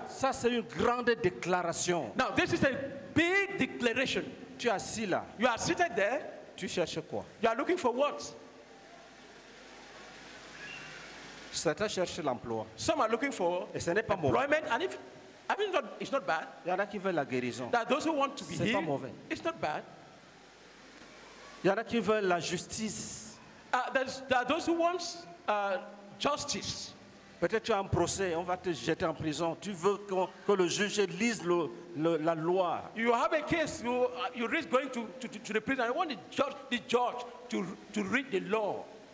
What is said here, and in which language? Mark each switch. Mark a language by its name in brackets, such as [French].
[French] Ça c'est une grande déclaration. [English] Now this is a big declaration. [French] Tu es assis là. [English] You are seated there. [French] Tu cherches quoi? [English] You are looking for what? [French] Certains cherchent l'emploi. [English] Some are looking for. [French] Et ce n'est pas [English] employment. [French] Mauvais. [English] And if, I mean, not, it's not bad. [French] Il y en a qui veulent la guérison. [English] That those who want to be [French] c'est [English] healed. [French] Pas mauvais. [English] It's not bad. [French] Il y en a qui veulent la justice. [English] There are those who want justice. [French] Peut-être tu as un procès, on va te jeter en prison. Tu veux que le juge lise la loi. [English] You have a case, you risk going to the prison. I want the judge to read the law.